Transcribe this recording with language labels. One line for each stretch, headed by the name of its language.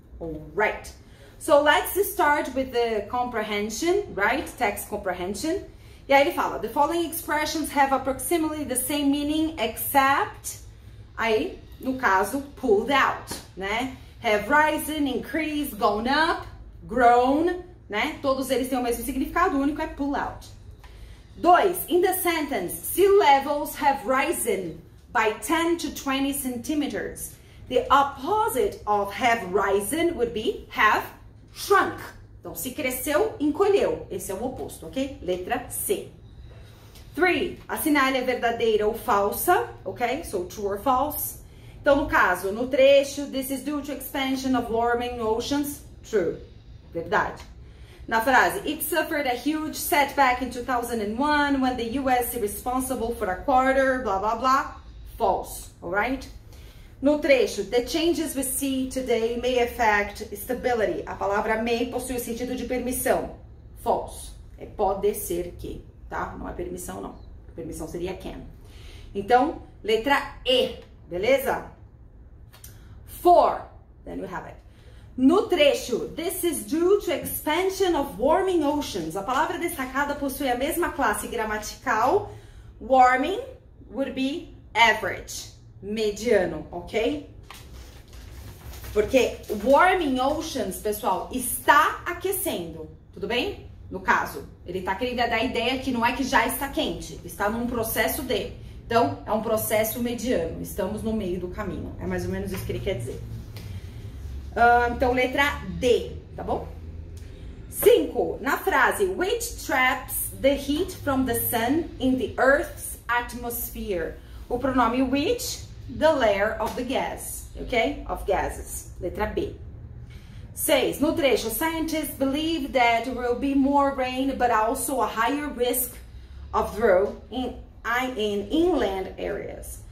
English: Alright, so let's start with the comprehension, right? Text comprehension.
Portuguese: E aí ele fala,
English: the following expressions have approximately the same meaning except,
Portuguese: aí, no caso,
English: pulled out, né? Have risen, increased, gone up, grown, né?
Portuguese: Todos eles têm o mesmo significado, o único é
English: pull out.
Portuguese: Dois,
English: in the sentence, sea levels have risen by 10 to 20 centimeters. The opposite of have risen would be have shrunk.
Portuguese: Então, se cresceu, encolheu. Esse é o oposto, ok? Letra C. 3. A sinal é verdadeira ou falsa, ok?
English: So, true or false.
Portuguese: Então, no caso, no trecho,
English: this is due to expansion of warming oceans. True.
Portuguese: Verdade. Na frase,
English: it suffered a huge setback in 2001 when the U.S. is responsible for a quarter, blah, blah, blah. False, alright?
Portuguese: No trecho,
English: the changes we see today may affect stability.
Portuguese: A palavra may possui o sentido de permissão. False. É pode ser que, tá? Não é permissão, não. Permissão seria can. Então, letra E, beleza? 4.
English: Then we have it.
Portuguese: No trecho,
English: this is due to expansion of warming oceans.
Portuguese: A palavra destacada possui a mesma classe gramatical.
English: Warming would be average,
Portuguese: mediano,
English: ok?
Portuguese: Porque
English: warming oceans,
Portuguese: pessoal, está aquecendo, tudo bem? No caso, ele está querendo dar a ideia que não é que já está quente, está num processo de. Então, é um processo mediano, estamos no meio do caminho. É mais ou menos isso que ele quer dizer. Então, letra D, tá bom? 5. Na frase,
English: which traps the heat from the sun in the earth's atmosphere?
Portuguese: O pronome
English: which, the layer of the gas, ok? Of gases,
Portuguese: letra B.
English: 6.
Portuguese: No trecho,
English: scientists believe that there will be more rain, but also a higher risk of drought in inland areas.